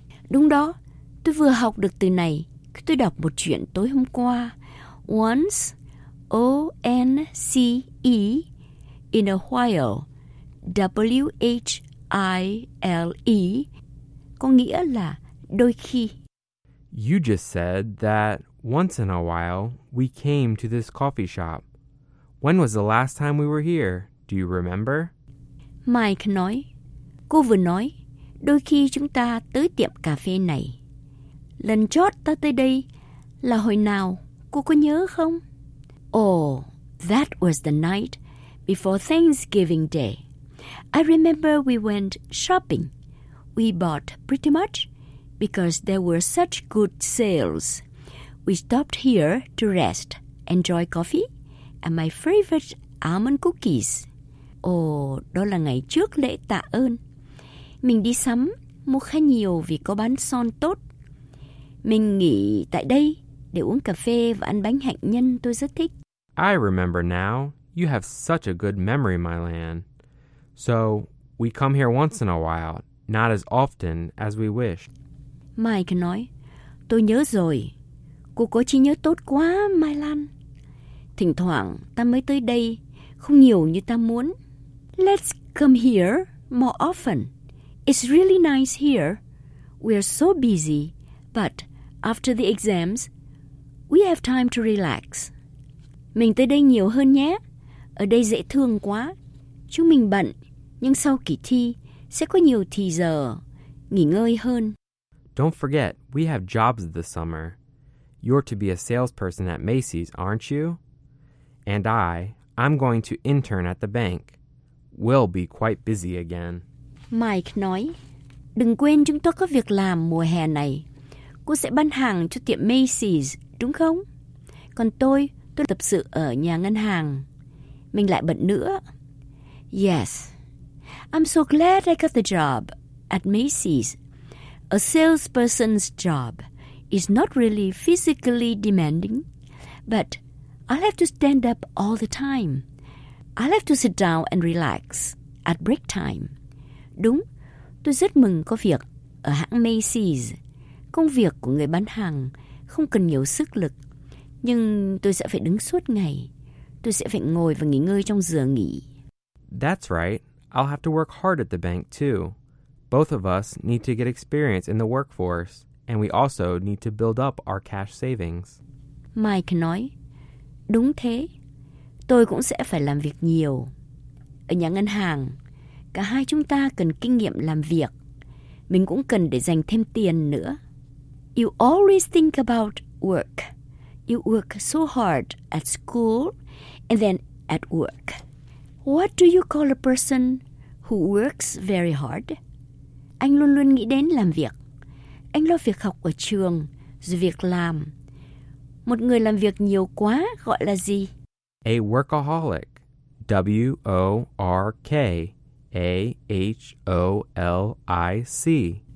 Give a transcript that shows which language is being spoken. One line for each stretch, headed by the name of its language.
Vietnamese: Đúng đó, tôi vừa học được từ này khi tôi đọc một chuyện tối hôm qua.
English: Once, O-N-C-E, in a while, W-H-I-L-E,
Vietnamese: có nghĩa là đôi khi.
English: You just said that once in a while we came to this coffee shop. When was the last time we were here? Do you remember?
Vietnamese: Mike nói, cô vừa nói, đôi khi chúng ta tới tiệm cà phê này. Lần chót ta tới đây là hồi nào, cô có nhớ không?
English: Oh, that was the night before Thanksgiving Day. I remember we went shopping. We bought pretty much because there were such good sales. We stopped here to rest, enjoy coffee and my favorite almond cookies.
Vietnamese: Oh, đó là ngày trước lễ tạ ơn. Mình đi sắm, mua khá nhiều vì có bán son tốt. Mình nghỉ tại đây để uống cà phê và ăn bánh hạnh nhân tôi rất thích.
English: I remember now. You have such a good memory, my Lan. So, we come here once in a while, not as often as we wish.
Vietnamese: Mike nói, tôi nhớ rồi. Cô có trí nhớ tốt quá, Mai Lan. Thỉnh thoảng, ta mới tới đây, không nhiều như ta muốn.
English: Let's come here more often. It's really nice here. We're so busy, but after the exams, we have time to relax.
Vietnamese: Mình tới đây nhiều hơn nhé. Ở đây dễ thương quá. Chúng mình bận, nhưng sau kỳ thi sẽ có nhiều thì giờ nghỉ ngơi hơn.
English: Don't forget, we have jobs this summer. You're to be a salesperson at Macy's, aren't you? And I'm going to intern at the bank. We'll be quite busy again.
Vietnamese: Mike nói, đừng quên chúng tôi có việc làm mùa hè này. Cô sẽ bán hàng cho tiệm Macy's, đúng không? Còn tôi tập sự ở nhà ngân hàng. Mình lại bận nữa.
English: Yes, I'm so glad I got the job at Macy's. A salesperson's job is not really physically demanding, but I'll have to stand up all the time. I'll have to sit down and relax at break time.
Vietnamese: Đúng, tôi rất mừng có việc ở hãng Macy's. Công việc của người bán hàng không cần nhiều sức lực, nhưng tôi sẽ phải đứng suốt ngày. Tôi sẽ phải ngồi và nghỉ ngơi trong giờ nghỉ.
English: That's right. I'll have to work hard at the bank, too. Both of us need to get experience in the workforce, and we also need to build up our cash savings.
Vietnamese: Mike nói, đúng thế. Tôi cũng sẽ phải làm việc nhiều. Ở nhà ngân hàng, cả hai chúng ta cần kinh nghiệm làm việc. Mình cũng cần để dành thêm tiền nữa.
English: You always think about work. You work so hard at school and then at work. What do you call a person who works very hard?
Vietnamese: Anh luôn luôn nghĩ đến làm việc. Anh lo việc học ở trường, rồi việc làm. Một người làm việc nhiều quá gọi là gì?
English: A workaholic. W-O-R-K-A-H-O-L-I-C.